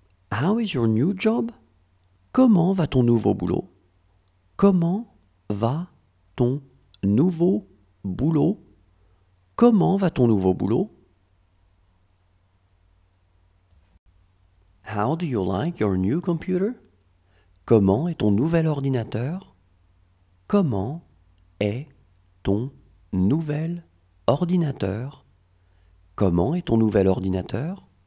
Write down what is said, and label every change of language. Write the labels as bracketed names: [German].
[English] How is your new job? [French] Comment va ton nouveau boulot? Comment va ton nouveau boulot? Comment va ton nouveau boulot? [English] How do you like your new computer? [French] Comment est ton nouvel ordinateur? Comment est ton nouvel ordinateur? Comment est ton nouvel ordinateur?